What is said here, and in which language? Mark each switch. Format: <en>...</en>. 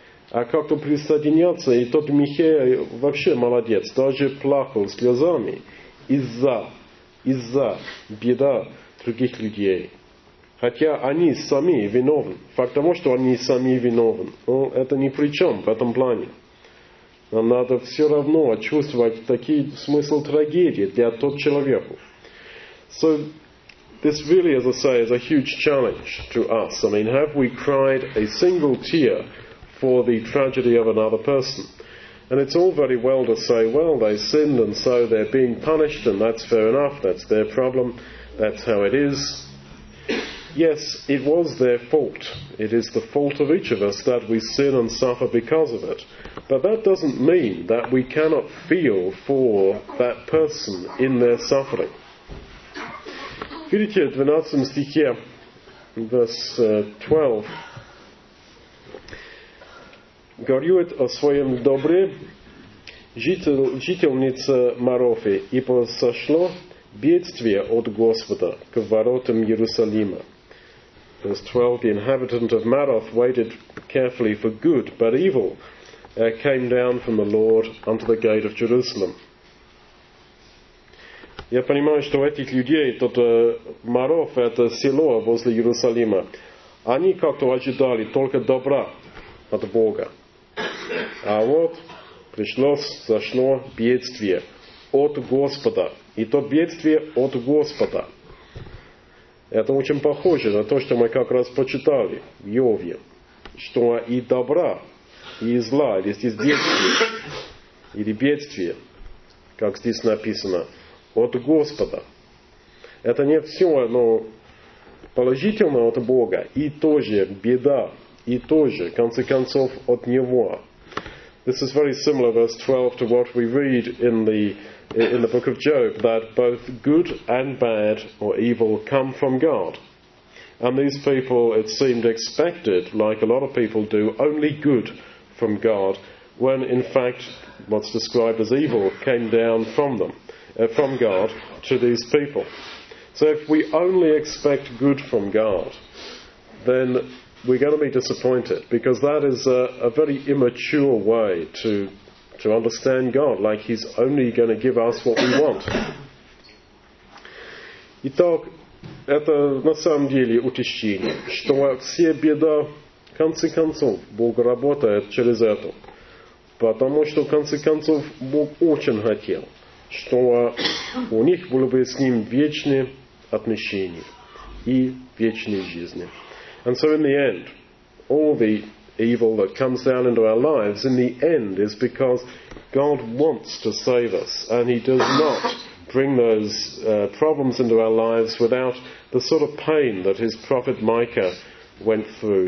<ru>А как-то присоединяться, и тот Михей вообще молодец, даже плакал слезами из-за беда других людей. Хотя они сами виновны. Факт того, что они сами виновны, ну, это ни при чем в этом плане. Нам надо все равно чувствовать такие смысл трагедии для тот человека.</ru> <en>So, this really, as I say, is a huge challenge to us. I mean, have we cried a single tear for the tragedy of another person? And it's all very well to say, well, they sinned and so they're being punished and that's fair enough, that's their problem, that's how it is. Yes, it was their fault. It is the fault of each of us that we sin and suffer because of it. But that doesn't mean that we cannot feel for that person in their suffering.</en> <ru>Видите, в 12 стихе,</ru> <en>verse 12,</en> <ru>горюет о своем добре жительница Марофи, ибо сошло бедствие от Господа к воротам Иерусалима.</ru> <en>Verse 12, the inhabitant of Maroth waited carefully for good, but evil came down from the Lord unto the gate of Jerusalem.</en> <ru>Я понимаю, что этих людей, тот Маров, это село возле Иерусалима, они как-то ожидали только добра от Бога. А вот пришлось, зашло бедствие от Господа. И то бедствие от Господа. Это очень похоже на то, что мы как раз почитали в Иове, что и добра, и зла, или здесь бедствие, или бедствие, как здесь написано, от Господа. Это не все, но положительно от Бога, и тоже беда, и тоже, в конце концов, от Него.</ru> <en>This is very similar, verse 12, to what we read in the book of Job, that both good and bad, or evil, come from God. And these people, it seemed, expected, like a lot of people do, only good from God, when in fact what's described as evil came down from them, from God to these people. So if we only expect good from God, then we're going to be disappointed, because that is a very immature way to understand God, like He's only going to give us what we want.</en> <ru>Итак, это на самом деле утешение, что все беда, в конце концов, Бог работает через это. Потому что, в конце концов, Бог очень хотел, что у них было бы с Ним вечные отношения и вечные жизни.</ru> <en>And so in the end, all the evil that comes down into our lives, in the end, is because God wants to save us, and He does not bring those problems into our lives without the sort of pain that His prophet Micah went through.</en>